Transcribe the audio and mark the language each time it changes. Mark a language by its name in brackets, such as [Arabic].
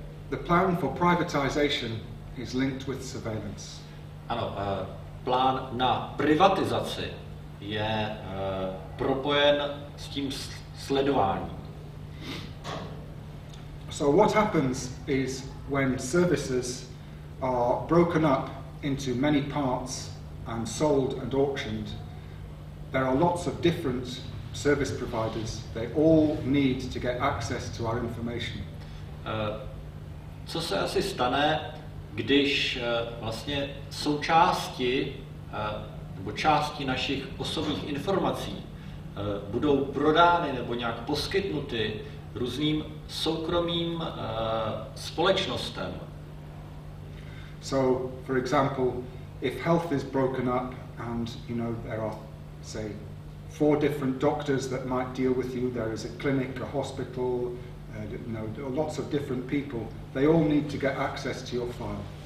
[English] The plan for privatization is linked with surveillance. [Czech] Ano, plán na privatizaci je propojen s tím sledováním. [English] So what happens is when services are broken up into many parts and sold and auctioned, there are lots of different service providers, they all need to get access to our information. [Czech] Co se asi stane, když vlastně součásti nebo části našich osobních informací budou prodány nebo nějak poskytnuty různým soukromým společnostem? [English] So, for example, if health is broken up and, you know, there are, say, four different doctors that might deal with you. There is a clinic, a hospital, lots of different people. They all need to get access to your file.